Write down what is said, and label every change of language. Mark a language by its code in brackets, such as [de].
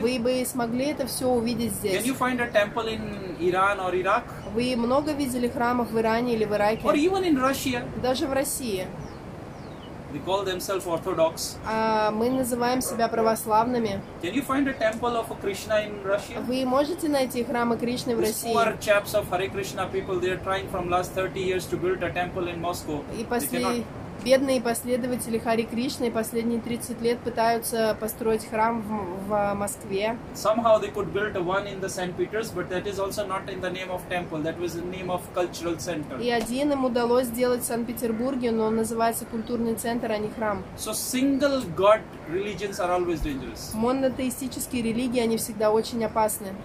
[ru] Вы бы смогли это все увидеть здесь? [en] Can you find a temple in Iran or Iraq? [ru] Вы много видели храмов в Иране или в Ираке? [en] Or even in Russia? [ru] Даже в России. [en] They call themselves Orthodox. [ru] Мы называем себя православными. [en] Can you find a temple of a Krishna in Russia? [ru] Вы можете найти храмы Кришны в России? [en] These poor chaps of Hare Krishna people, they are trying from last 30 years to build a temple in Moscow. [ru] Бедные последователи Хари Кришны последние 30 лет пытаются построить храм в Москве. [en] Somehow they could build one in the St. Peter's, but that is also not in the name of temple, that was the name of cultural center. [ru] И один им удалось сделать в Санкт-Петербурге, но он называется культурный центр, а не храм. [en] So single God religions are always dangerous. [ru] Монотеистические религии, они всегда очень опасны.